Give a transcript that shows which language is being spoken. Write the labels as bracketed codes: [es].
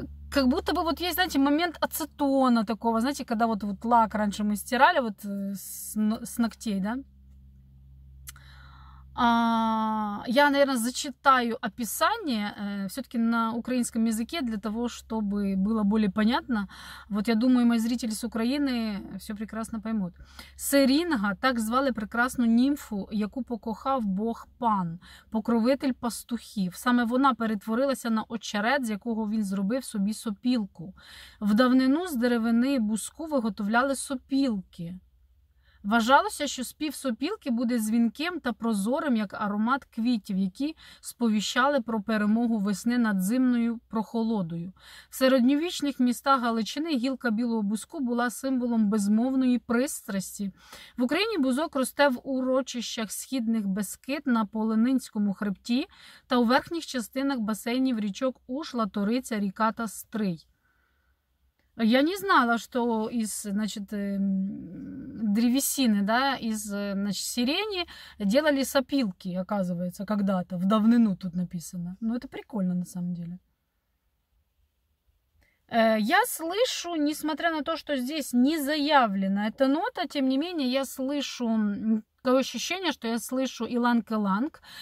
[ru] Как будто бы вот есть, знаете, момент ацетона такого, знаете, когда вот, вот лак раньше мы стирали вот с ногтей, да? Я, наверное, зачитаю описание все-таки на украинском языке для того, чтобы было более понятно. Вот я думаю, мои зрители с Украины все прекрасно поймут. [uk] Сирінга, так звали прекрасну німфу, яку покохав бог Пан, покровитель пастухів. Саме вона перетворилася на очерет, з якого він зробив собі сопілку. В давнину з деревини буску виготовляли сопілки. Вважалося, що спів сопілки буде дзвінким та прозорим, як аромат квітів, які сповіщали про перемогу весни над зимною прохолодою. В середньовічних містах Галичини гілка білого бузку була символом безмовної пристрасті. В Україні бузок росте в урочищах східних Безкид на Полонинському хребті та у верхніх частинах басейнів річок Ушла, Ториця, Ріка та Стрий. [ru] Я не знала, что из, значит, древесины, да, из, значит, сирени делали сопилки, оказывается, когда-то, [uk] в давнину [ru] тут написано. Ну, это прикольно, на самом деле. Я слышу, несмотря на то, что здесь не заявлена эта нота, тем не менее, я слышу такое ощущение, что я слышу иланг-иланг.